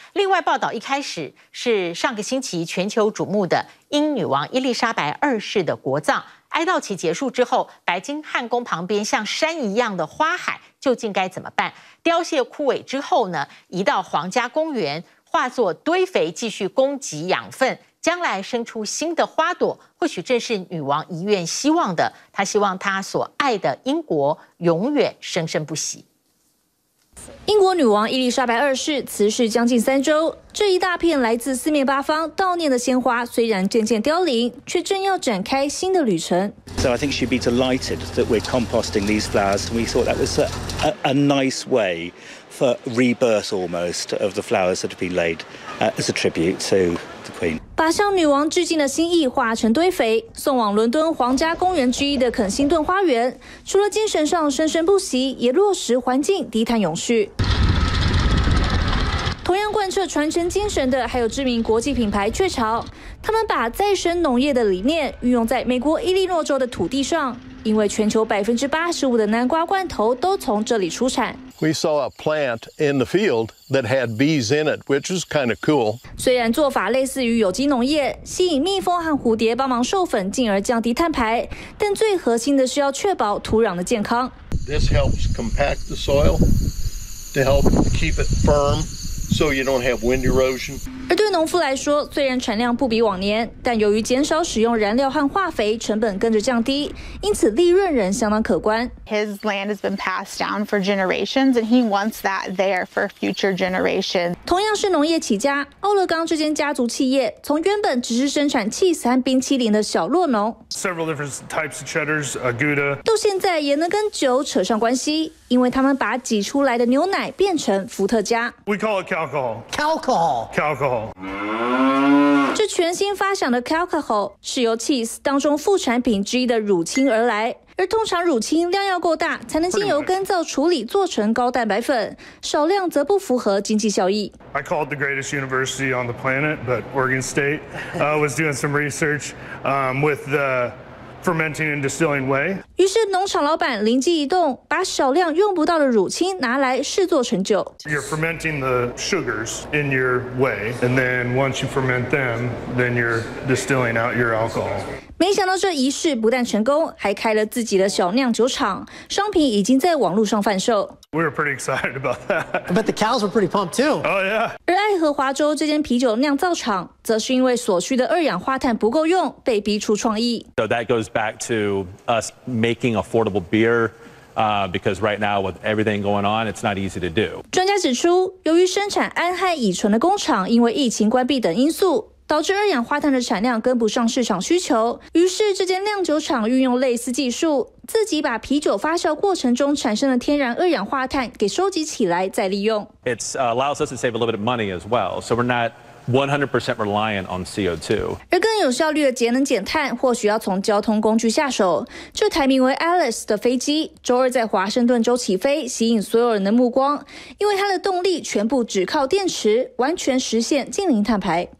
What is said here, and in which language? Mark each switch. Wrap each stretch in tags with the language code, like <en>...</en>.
<zh>另外报道一开始是上个星期全球瞩目的英女王伊丽莎白二世的国葬，哀悼期结束之后，白金汉宫旁边像山一样的花海究竟该怎么办，凋谢枯萎之后呢移到皇家公园化作堆肥继续供给养分，将来生出新的花朵，或许正是女王遗愿希望的，她希望她所爱的英国永远生生不息。英国女王伊丽莎白二世辞世将近三周，这一大片来自四面八方悼念的鲜花虽然渐渐凋零，却正要展开新的旅程。</zh> <en>So I think she'd be delighted that we're composting these flowers, and we thought that was a nice way for rebirth almost of the flowers that have been laid as a tribute to the Queen.</en> <zh>把向女王致敬的心意化成堆肥，送往伦敦皇家公园之一的肯辛顿花园，除了精神上生生不息，也落实环境低碳永续。同样贯彻传承精神的还有知名国际品牌雀巢，他们把再生农业的理念运用在美国伊利诺州的土地上，因为全球85%的南瓜罐头都从这里出产。</zh> <en>We saw a plant in the field that had bees in it, which is kind of cool.</en> <zh>虽然做法类似于有机农业，吸引蜜蜂和蝴蝶帮忙授粉，进而降低碳排，但最核心的是要确保土壤的健康。</zh> <en>This helps compact the soil to help keep it firm. So you don't have wind erosion.</en> <zh>而对农夫来说，虽然产量不比往年，但由于减少使用燃料和化肥，成本跟着降低，因此利润仍相当可观。</zh> <en>His land has been passed down for generations, and he wants that there for future generations.</en> <zh>同样是农业起家，欧勒冈这间家族企业从原本只是生产起司和冰淇淋的小落农</zh> <en>，several different types of cheddars, Gouda,</en> <zh>到现在也能跟酒扯上关系，因为他们把挤出来的牛奶变成伏特加。</zh> <en>We call it Calcohol.</en> <zh>这全新发想的 Calcohol 是由 cheese 当中副产品之一的乳清而来，而通常乳清量要够大才能经由干燥处理做成高蛋白粉，少量则不符合经济效益。</zh> <en>I called the greatest university on the planet, but Oregon State was doing some research with the fermenting and distilling way.</en> <zh>于是农场老板灵机一动，把少量用不到的乳清拿来试做成酒。</zh> <en>You're fermenting the sugars in your way, and then once you ferment them, then you're distilling out your alcohol.</en> <zh>没想到这仪式不但成功，还开了自己的小酿酒厂，商品已经在网络上贩售。</zh> <en>We were pretty excited about that. I bet the cows were pretty pumped too. Oh yeah.</en> <zh>而爱荷华州这间啤酒酿造厂，则是因为所需的二氧化碳不够用，被逼出创意。</zh> <en>So that goes back to us making affordable beer, because right now with everything going on, it's not easy to do.</en> <zh>专家指出，由于生产氨和乙醇的工厂因为疫情关闭等因素，导致二氧化碳的产量跟不上市场需求，于是这间酿酒厂运用类似技术，自己把啤酒发酵过程中产生的天然二氧化碳给收集起来再利用。</zh> <en>It allows us to save a little bit of money as well, so we're not 100% reliant on CO2.</en> <zh>而更有效率的节能减碳，或许要从交通工具下手。这台名为 Alice 的飞机，周二在华盛顿州起飞，吸引所有人的目光，因为它的动力全部只靠电池，完全实现净零碳排。</zh>